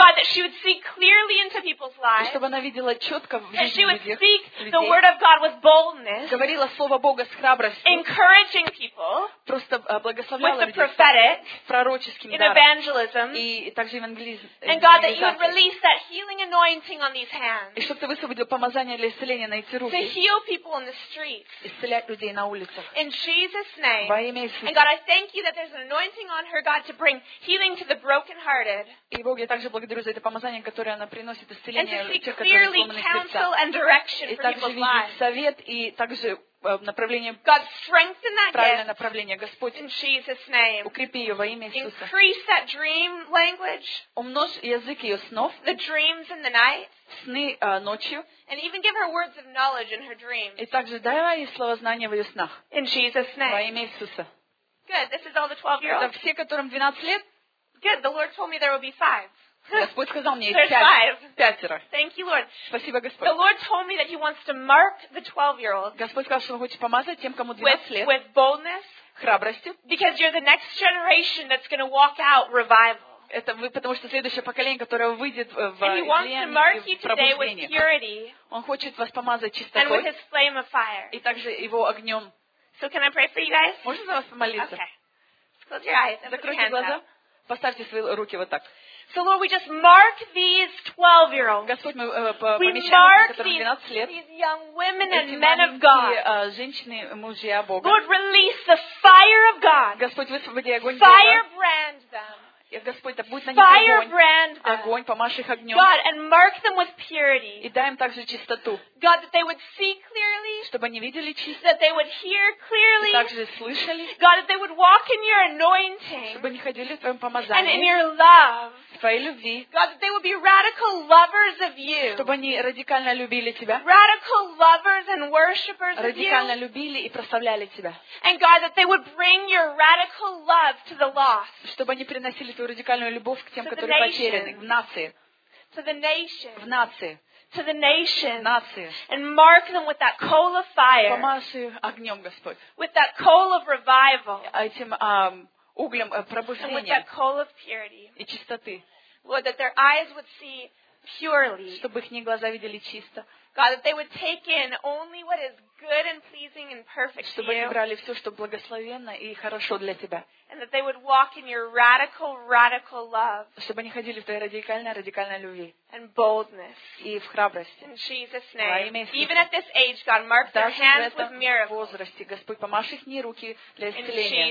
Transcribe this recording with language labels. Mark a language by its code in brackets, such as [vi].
[en] And God, that she would see clearly into people's lives. [ru] И чтобы она видела четко. [en] And she would speak the word of God with boldness. [ru] Говорила слово Бога с храбростью. [en] Encouraging people. [ru] Просто благословляла людей. [en] With the prophetic. [ru] Пророческим даром. [en] In evangelism. [ru] И также евангелизм. [en] And God, that you would release that healing anointing on these hands. [ru] И чтобы ты высвободил помазание для исцеления на эти руки. [en] To heal people in the streets. [ru] Исцелять людей на улицах. [en] In Jesus' name. [ru] Во имя Иисуса. [en] And God, I thank you that there's an anointing on her, God, to bring healing to the brokenhearted. [ru] И Бог, я также благодарю за это помазание, которое она приносит исцеление тех, которые сломаны. [en] And to see clearly counsel and direction for people's lives. [ru] И также видеть совет и также направление. [en] God strengthen that gift. [ru] Правильное направление, Господь. [en] In Jesus' name. [ru] Укрепи ее во имя Иисуса. [en] Increase that dream language. [ru] Умножь язык ее снов. [en] The dreams in the night. [ru] Сны ночью. [en] And even give her words of knowledge in her dreams. [ru] И также дай ей слова знания в ее снах. [en] In Jesus' name. [ru] Во имя Иисуса. [en] Good. This is all the 12-year-olds. [ru] Это все, которым 12 лет. [en] Good. The Lord told me there will be 5. [ru] Господь сказал мне, пятеро. [en] Thank you, Lord. [ru] Спасибо, Господь. [en] The Lord told me that He wants to mark the 12-year-olds. [ru] Господь сказал, что Он хочет помазать тем, кому 12 лет. [en] With boldness. [ru] Храбростью. [en] Because you're the next generation that's going to walk out revival. [ru] Это вы, потому что следующее поколение, которое выйдет в пробуждение, он хочет вас помазать чистотой и также его огнем. [en] So can I pray for you guys? [ru] Можно за вас помолиться? [en] Okay. Close your eyes. [ru] Закройте глаза. Поставьте свои руки вот так. [en] So Lord, we just mark these 12-year-olds. [ru] Господь, мы помещаем которым 12 лет. [en] These young women and men of God. [ru] Господь, высвободи огонь Бога. [en] Firebrand them. [ru] Господь, да будет на них огонь, огонь, помажь их огнем. [en] God, and mark them with purity. [ru] И дай им также чистоту. [en] God, that they would see clearly, [ru] чтобы они видели чисто. [en] That they would hear clearly, [ru] и также слышали. [en] God, that they would walk in your anointing, [ru] чтобы они ходили в твоем помазании. [en] And in your love, [ru] в твоей любви. [en] God, that they would be radical lovers of you, [ru] чтобы они радикально любили тебя. [en] Radical lovers and worshipers of you, [ru] радикально любили и прославляли тебя. [en] And God, that they would bring your radical love to the lost, [ru] чтобы они приносили твою радикальную любовь к тем, которые потеряны, в нации. [en] To the nation. [ru] В нации. [en] To the nation. [ru] В нации. [en] And mark them with that coal of fire. [ru] Помажь их огнем, Господь. [en] With that coal of revival. [ru] Этим углем пробуждения. [en] And with that coal of purity. [ru] И чистоты. [en] Lord, that their eyes would see purely. [ru] Чтобы их глаза видели чисто. [en] God, that they would take in only what is good and pleasing and perfect to you. [ru] Чтобы они брали все, что благословенно и хорошо для тебя. [en] And that they would walk in your radical, radical love. [ru] Чтобы они ходили в твоей радикальной, радикальной любви. [en] And boldness. [ru] И в храбрости. [en] In Jesus' name. Even at this age, God, mark their hands with miracles. [ru] Даже в этом возрасте, Господь, помажь их руки для исцеления.